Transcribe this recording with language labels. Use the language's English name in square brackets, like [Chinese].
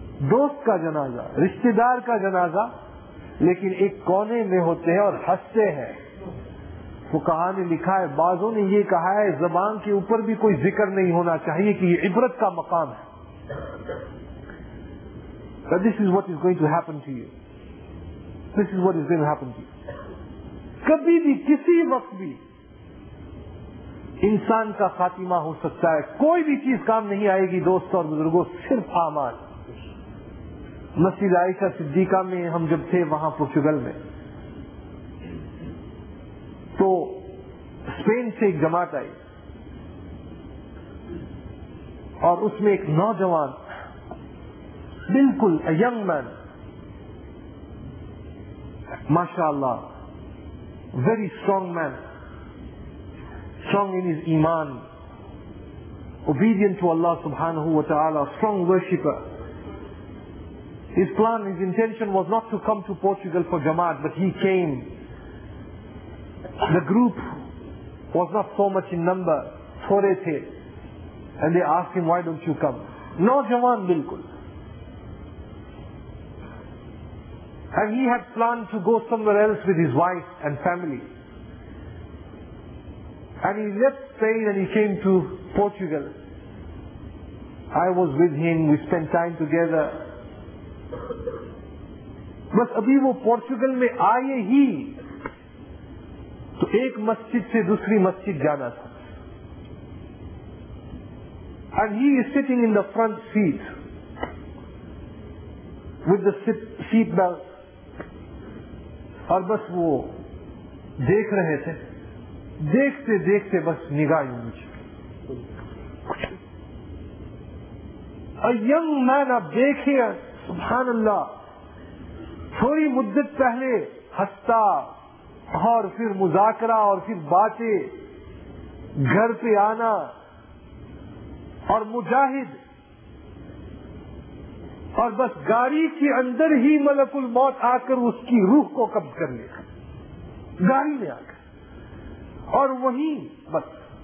[Urdu] دوست کا جنازہ, رشتہ دار کا جنازہ, لیکن ایک کونے میں ہوتے ہیں اور ہنستے ہیں. فقہا نے لکھا ہے, بعضوں نے یہ کہا ہے زبان کے اوپر بھی کوئی ذکر نہیں ہونا چاہیے کہ یہ عبرت کا مقام ہے. [English] But this is what is going to happen to you. This is what is going to happen to you. [Urdu] کبھی بھی کسی وقت بھی انسان کا خاتمہ ہو سکتا ہے, کوئی بھی چیز کام نہیں آئے گی دوست اور بزرگوں, صرف اعمال. مسجد عائشہ صدیقہ میں ہم جب تھے وہاں پرتگال میں, تو اسپین سے ایک جماعت آئی اور اس میں ایک نوجوان بالکل ینگ مین ماشاء اللہ very strong man [English] strong in his iman, obedient to Allah subhanahu wa ta'ala, strong worshipper. His plan, his intention was not to come to Portugal for Jamaat, but he came. The group was not so much in number, [Urdu] thore the, [English] and they asked him, why don't you come? [Urdu] No jawan bilkul. [English] And he had planned to go somewhere else with his wife and family. And he left Spain and he came to Portugal. I was with him, we spent time together. [Urdu] بس ابھی وہ Portugal میں آئے ہی تو ایک مسجد سے دوسری مسجد جانا تھا. [English] And he is sitting in the front seat with the seat belt. [Urdu] اور بس وہ دیکھ رہے تھے, دیکھتے دیکھتے بس نگاہ یوں مجھے. [English] A young man, [Urdu] آپ دیکھے سبحان اللہ, تھوڑی مدت پہلے ہستا اور پھر مذاکرہ اور پھر باتیں, گھر پہ آنا اور مجاہد, اور بس گاڑی کے اندر ہی ملک الموت آ کر اس کی روح کو قبض کر لیا, گاڑی میں آ کر, اور وہیں بس.